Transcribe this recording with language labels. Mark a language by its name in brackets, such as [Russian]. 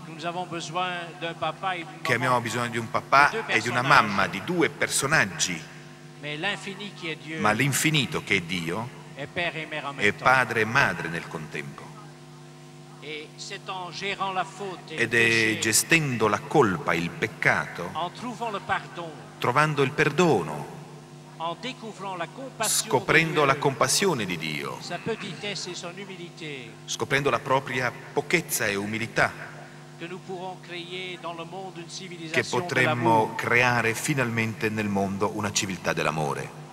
[French] nous avons besoin d'un papa et d'une maman, [Italian] che abbiamo bisogno di un papà e di una mamma, di due personaggi. [French] Mais l'infini qui est Dieu, [Italian] ma l'infinito che è Dio [French] è, père et mère en [Italian] è padre e madre nel contempo. [French] Et c'est en gérant la faute et [Italian] ed è gestendo la colpa, il peccato, [French] en trouvant le pardon, [Italian] trovando il perdono, [French] en découvrant la compassion, [Italian] scoprendo la compassione di Dio, [French] sa petitesse et son humilité, [Italian] scoprendo la propria pochezza e umiltà, [French] que nous pourrons créer dans le monde une civilisation, [Italian] che potremmo creare finalmente nel mondo una civiltà dell'amore.